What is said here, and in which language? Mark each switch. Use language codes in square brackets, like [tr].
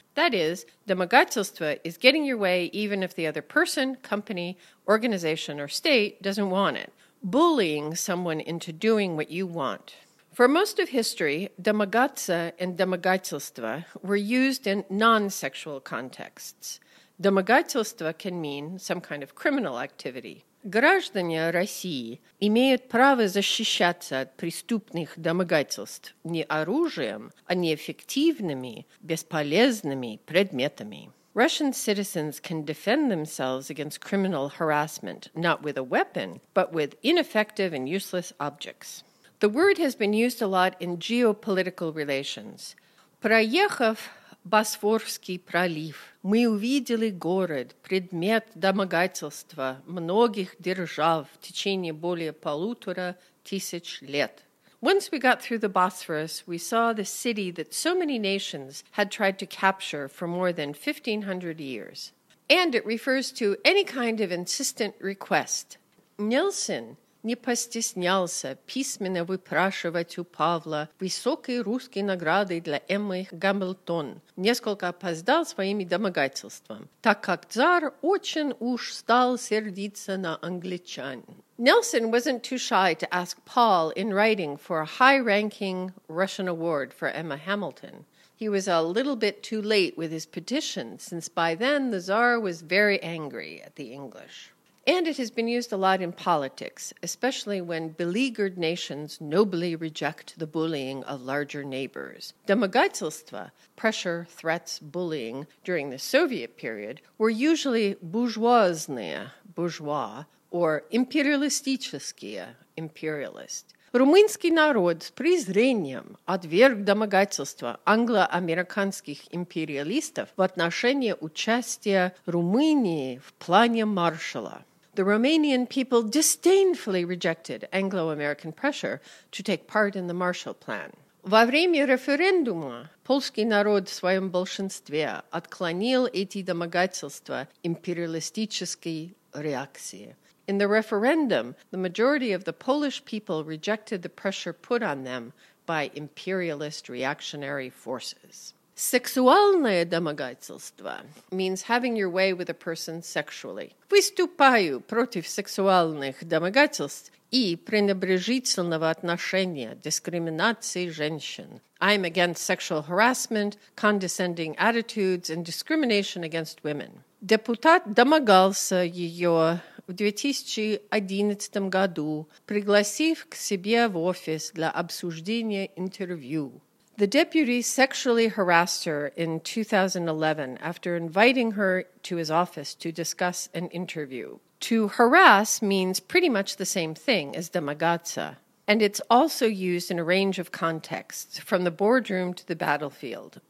[en] That is, домогательство is getting your way even if the other person, company, organization, or state doesn't want it. Bullying someone into doing what you want. For most of history, домогаться and домогательство were used in non-sexual contexts. Домогательство can mean some kind of criminal activity. [ru] Граждане России имеют право защищаться от преступных домогательств не оружием, а неэффективными, бесполезными предметами. [en] Russian citizens can defend themselves against criminal harassment not with a weapon, but with ineffective and useless objects. The word has been used a lot in geopolitical relations. [ru] Проехав Босфорский пролив, мы увидели город, предмет домогательства многих держав в течение более полутора тысяч лет. [en] Once we got through the Bosphorus, we saw the city that so many nations had tried to capture for more than 1,500 years. And it refers to any kind of insistent request. [ru] Nielsen не постеснялся письменно выпрашивать у Павла высокой русской награды для Эммы Гамильтон. Несколько опоздал своими домогательством, так как цар очень уж стал сердиться на англичан. [en] Nelson wasn't too shy to ask Paul in writing for a high-ranking Russian award for Emma Hamilton. He was a little bit too late with his petition, since by then the Tsar was very angry at the English. And it has been used a lot in politics, especially when beleaguered nations nobly reject the bullying of larger neighbors. Домогательство, pressure, threats, bullying, during the Soviet period, were usually буржуазные, bourgeois, or империалистические, imperialist. [ru] Румынский народ с презрением отверг домогательство англо-американских империалистов в отношении участия Румынии в плане Маршалла. [en] The Romanian people disdainfully rejected Anglo-American pressure to take part in the Marshall Plan. [ru] Во время референдума польский народ в своем большинстве отклонил эти домогательства империалистической реакции. [en] In the referendum, the majority of the Polish people rejected the pressure put on them by imperialist reactionary forces. Сексуальное домогательство means having your way with a person sexually. [ru] Выступаю против сексуальных домогательств и пренебрежительного отношения, дискриминации женщин. [en] I am against sexual harassment, condescending attitudes, and discrimination against women. [ru] Депутат домогался ее в 2011 году, пригласив к себе в офис для обсуждения интервью. [en] The deputy sexually harassed her in 2011 after inviting her to his office to discuss an interview. To harass means pretty much the same thing as домогаться, and it's also used in a range of contexts, from the boardroom to the battlefield.